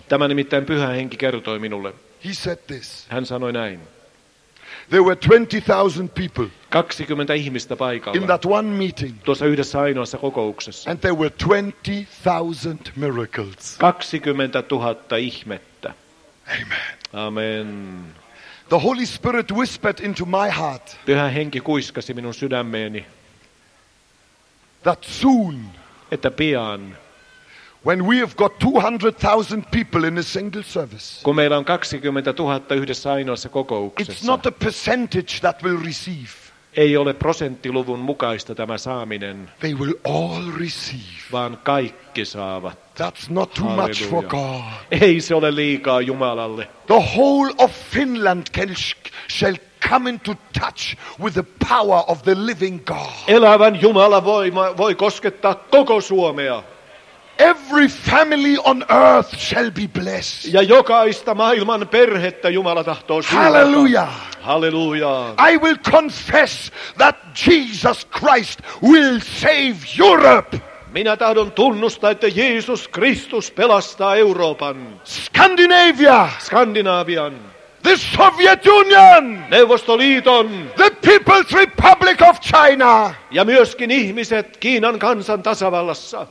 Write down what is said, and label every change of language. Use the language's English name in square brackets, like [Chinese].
[Finnish] Tämä nimittäin Pyhä Henki kertoi minulle. [English] He said this. [Finnish] Hän sanoi näin. [English] There were 20,000 people. [Finnish] 20 ihmistä paikalla. [English] In that one meeting. [Finnish] Tuossa yhdessä ainoassa kokouksessa. [English] And there were 20,000 miracles. [Finnish] 20,000 ihmettä. [English] Amen. [Finnish] Amen. [English] The Holy Spirit whispered into my heart. [Finnish] Pyhä Henki kuiskasi minun sydämeeni. [English] That soon. [Finnish] Että pian. [English] When we have got 200,000 people in a single service. [Finnish] Kun meillä on 20,000 yhdessä ainoassa kokouksessa. [English] It's not a percentage that will receive. [Finnish] Ei ole prosenttiluvun mukaista tämä saaminen. [English] They will all receive. [Finnish] Vaan kaikki saavat. [English] That's not too much for God. [Finnish] Ei se ole liikaa Jumalalle. [English] The whole of Finland shall come into touch with the power of the living God. [Finnish] Elävän Jumala voi koskettaa koko Suomea. [English] Every family on earth shall be blessed. [Finnish] Ja jokaista maailman perhettä Jumala tahtoo siunata. [English] Hallelujah. [Finnish] Hallelujah. [English] I will confess that Jesus Christ will save Europe. [Finnish] Minä tahdon tunnustaa, että Jeesus Kristus pelastaa Euroopan. [English] Scandinavia. [Finnish] Skandinavian. [English] The Soviet Union. [Finnish] Neuvostoliiton. [English] The People's Republic of China. [Finnish] Ja myöskin ihmiset Kiinan kansan tasavallassa.